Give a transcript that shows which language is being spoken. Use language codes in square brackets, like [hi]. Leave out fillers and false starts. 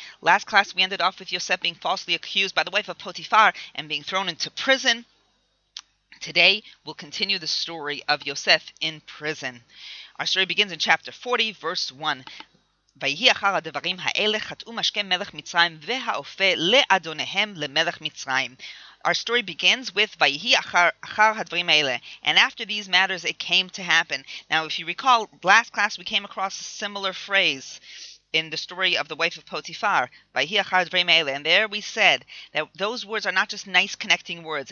[en] Last class we ended off with Yosef being falsely accused by the wife of Potiphar and being thrown into prison. Today we'll continue the story of Yosef in prison. Our story begins in chapter 40, verse 1. [he] ויהי אחר הדברים האלה חטאו משקי מלך מצרים והאופה לאדוניהם למלך מצרים. [en] Our story begins with [he] ויהי אחר הדברים האלה. [en] And after these matters it came to happen. Now if you recall, last class we came across a similar phrase in the story of the wife of Potiphar. [he] ויהי אחר הדברים האלה. [en] And there we said that those words are not just nice connecting words.